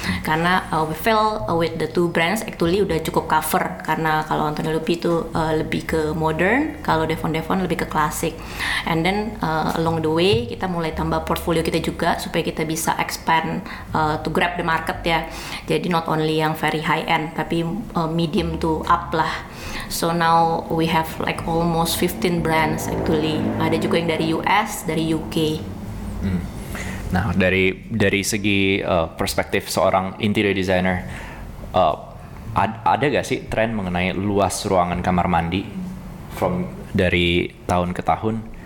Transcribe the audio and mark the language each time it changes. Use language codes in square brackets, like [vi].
[id] Karena [en] we feel with the two brands actually [id] udah cukup [en] cover. [id] Karena kalau Antonio Lupi itu lebih ke modern, kalau Devon lebih ke klasik. [en] And then along the way [id] kita mulai tambah portfolio kita juga supaya kita bisa [en] expand to grab the market [id] ya. [en] Jadi not only yang very high end, tapi medium to up lah. So now we have like almost 15 brands actually. [id] Ada juga yang dari US, dari UK. Nah, dari segi perspektif seorang interior designer, ada gak sih tren mengenai luas ruangan kamar mandi dari tahun ke tahun?